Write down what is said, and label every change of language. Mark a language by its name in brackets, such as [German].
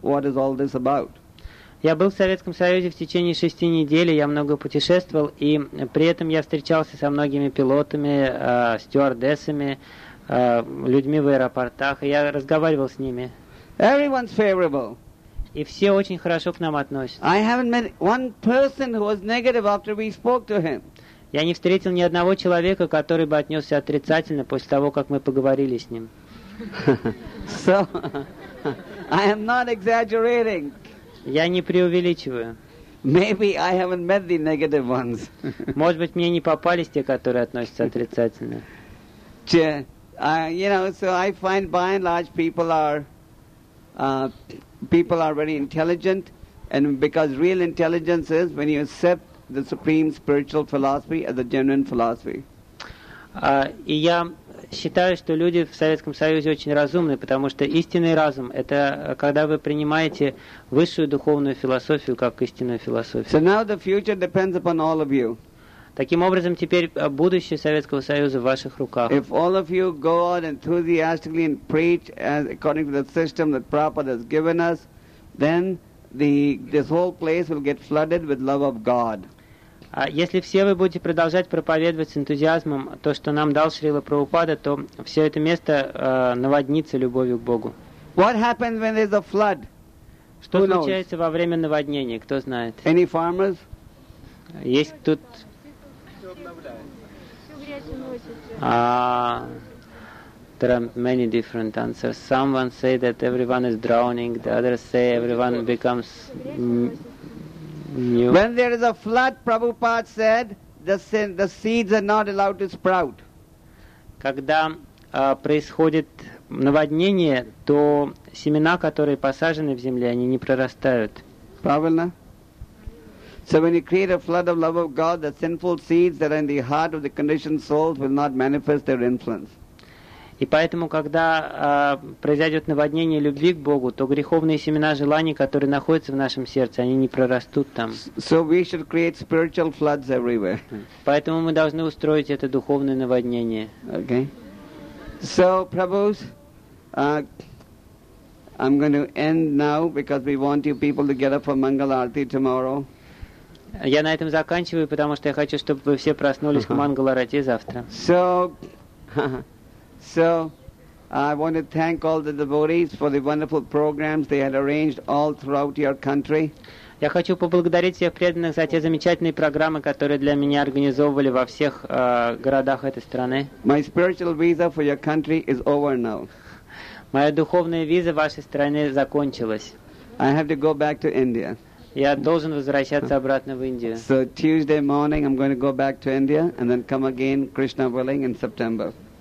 [English] What is all this about? [Russian] Я был в Советском Союзе в течение 6 недель. Я много путешествовал, и при этом я встречался со многими пилотами, стюардессами, людьми в аэропортах, и я разговаривал с ними. [English] Everyone's favorable. [Russian] И все очень хорошо к нам относятся. [English] I haven't met one person who was negative after we spoke to him. [Russian] Я не встретил ни одного человека, который бы отнесся отрицательно после того, как мы поговорили с ним. [English] So, I am not exaggerating. [Russian] Я не преувеличиваю. [English] Maybe I haven't met the negative ones. [Russian] Может быть, мне не попались те, которые относятся отрицательно. [English] You know, so I find by and large people are very intelligent, and because real intelligence is when you accept the supreme spiritual philosophy as a genuine philosophy. [Russian] И я считаю, что люди в Советском Союзе очень разумны, потому что истинный разум – это когда вы принимаете высшую духовную философию как истинную философию. [English] So now the future depends upon all of you. [Russian] Таким образом, теперь будущее Советского Союза в ваших руках. [English] If all of you go out enthusiastically and preach as according to the system that Prabhupada has given us, then this whole place will get flooded with love of God. [Russian] Если все вы будете продолжать проповедовать с энтузиазмом то, что нам дал Шрила Прабхупада, то все это место наводнится любовью к Богу. [English] What happens when there's a flood? [Russian] Что случается во время наводнения? Кто знает? [English] Any farmers? [Russian] Есть тут? [English] There are many different answers. Someone say that everyone is drowning. The others say everyone becomes new. When there is a flood, Prabhupada said, the seeds are not allowed to sprout. [Russian] Когда происходит наводнение, то семена, которые посажены в земле, они не прорастают. Правильно? [English] So when you create a flood of love of God, the sinful seeds that are in the heart of the conditioned souls will not manifest their influence. [Russian] И поэтому, когда произойдет наводнение любви к Богу, то греховные семена желаний, которые находятся в нашем сердце, они не прорастут там. [English] So we should create spiritual floods everywhere. [Russian] Поэтому мы должны устроить это духовное наводнение. [English] Okay. So, Prabhus, I'm going to end now because we want you people to get up for Mangal Arati tomorrow. [Russian] Я на этом заканчиваю, потому что я хочу, чтобы вы все проснулись к Мангал Арати завтра. [English] So, I want to thank all the devotees for the wonderful programs they had arranged all throughout your country. [Russian] Я хочу поблагодарить всех преданных за те замечательные программы, которые для меня организовывали во всех городах этой страны. [English] My spiritual visa for your country is over now. [Russian] Моя духовная виза вашей страны закончилась. [English] I have to go back to India. [Russian] Я должен возвращаться обратно в Индию. [English] So Tuesday morning I'm going to go back to India and then come again, Krishna willing, in September.